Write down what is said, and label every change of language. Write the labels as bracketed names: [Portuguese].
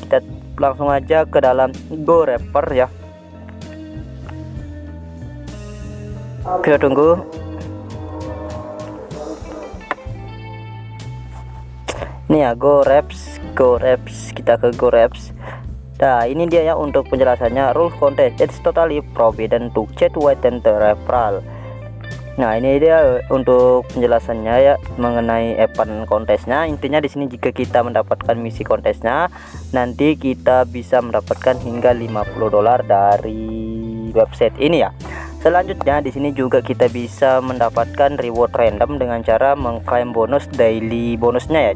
[Indonesian] Kita langsung aja ke dalam GoRapper ya. Kita tunggu. Ini ya GoRapps, kita ke GoRapps. Nah, ini dia ya untuk penjelasannya. [English] Rule contest, it's totally forbidden to chat with the referral. [Indonesian] Nah, ini dia untuk penjelasannya ya mengenai event kontesnya. Intinya di sini jika kita mendapatkan misi kontesnya, nanti kita bisa mendapatkan hingga $50 dari website ini ya. Selanjutnya di sini juga kita bisa mendapatkan reward random dengan cara mengklaim bonus daily bonusnya ya.